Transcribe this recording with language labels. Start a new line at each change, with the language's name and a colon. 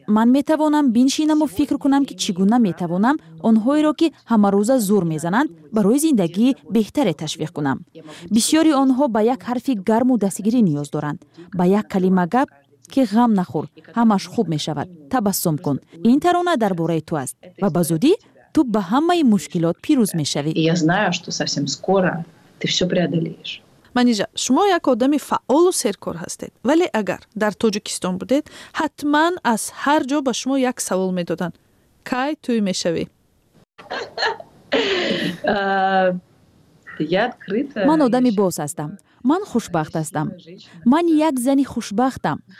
Persian: من میتوانم بینشینم و فکر کنم که چگونه میتوانم آنهایی را که همه روزه زور میزنند برای زندگی بهتر تشویق کنم. بسیاری آنها با یک حرف گرم و دستگیری نیاز دارند، با یک کلمه گپ که غم نخور همش خوب میشود، تبسم کن، این ترانه در باره تو است و بزودی تو به همه مشکلات پیروز میشوی.
Russian: Я знаю, что совсем скоро ты всё преодолеешь.
Persian: منیجا شما یک آدم فعال و سرکار هستید، ولی اگر در تاجیکستان بودید حتما از هر جا به شما یک سوال میدادن: کی توی میشوی؟ من آدمی باز هستم، من خوشبخت هستم، من یک زنی خوشبختم.